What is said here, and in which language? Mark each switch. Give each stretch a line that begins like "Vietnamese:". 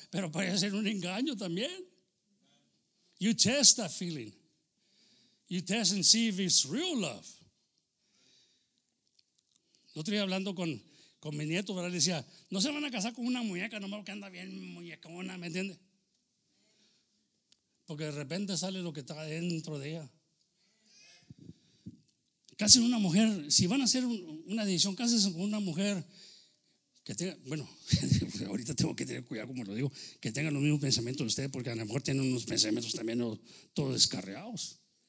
Spanish: Pero puede ser un engaño también.
English: You test that feeling. You test and see if it's real love.
Spanish: Otro día hablando con mi nieto, ¿verdad? Le decía, no se van a casar con una muñeca, nomás que anda bien muñecona, ¿me entiendes? Porque de repente sale lo que está dentro de ella. Casi una mujer, si van a hacer una decisión, casi con una mujer que tenga, bueno, ahorita tengo que tener cuidado como lo digo, que tenga los mismos pensamientos de ustedes, porque a lo mejor tienen unos pensamientos también todos descarriados.